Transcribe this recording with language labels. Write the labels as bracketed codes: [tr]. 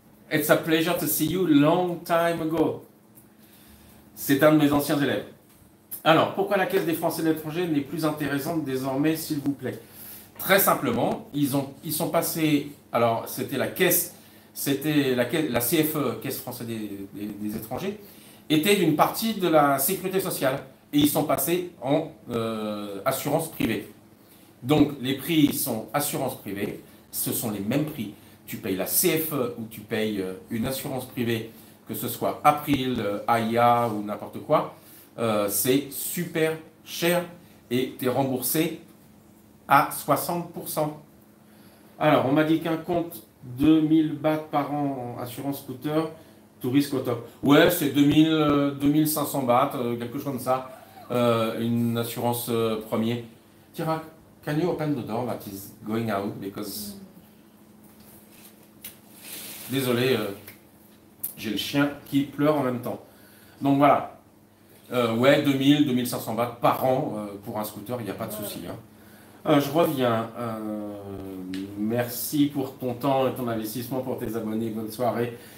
[en] It's a pleasure to see you long time ago. [fr] C'est un de mes anciens élèves. Alors, pourquoi la Caisse des Français de l'étranger n'est plus intéressante désormais, s'il vous plaît? Très simplement, ils sont passés. Alors, c'était la Caisse. C'était la CFE, Caisse Française des Étrangers, était une partie de la sécurité sociale et ils sont passés en assurance privée. Donc les prix sont assurance privée, ce sont les mêmes prix. Tu payes la CFE ou tu payes une assurance privée, que ce soit April, AIA ou n'importe quoi, c'est super cher et tu es remboursé à 60%. Alors on m'a dit qu'un compte. 2000 bahts par an en assurance scooter, tout risque au top. Ouais, c'est 2000, 2500 bahts, quelque chose comme ça, une assurance premier. [en] Tira, can you open the door that is going out because. [fr] Désolé, j'ai le chien qui pleure en même temps. Donc voilà. Ouais, 2000, 2500 bahts par an pour un scooter, il n'y a pas de souci. Hein. Je reviens. Merci pour ton temps et ton investissement pour tes abonnés. Bonne soirée.